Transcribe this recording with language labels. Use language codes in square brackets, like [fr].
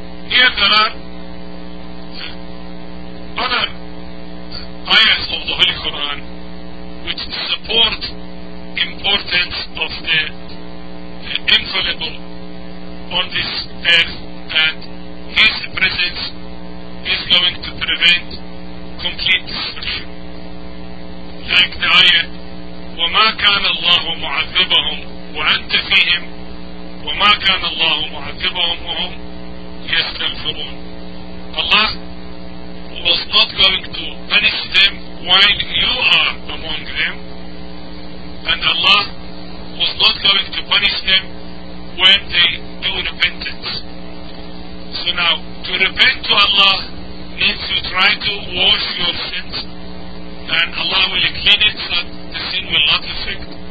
[en] Here there are other ayahs of the Holy Quran which support importance of the infallible on this earth, and his presence is going to prevent complete destruction. [ar] Like the ayah, وَمَا كَانَ اللَّهُ مُعَذِّبَهُمْ وَأَنْتَ فِيهِمْ وَمَا كَانَ اللَّهُ مُعَذِّبَهُمْ وَهُمْ يَسْتَغْفِرُونَ. [en] Allah was not going to punish them while you are among them, and Allah was not going to punish them when they do repentance. So now, to repent to Allah means you try to wash your sins, and Allah will clean it so the sin will not affect.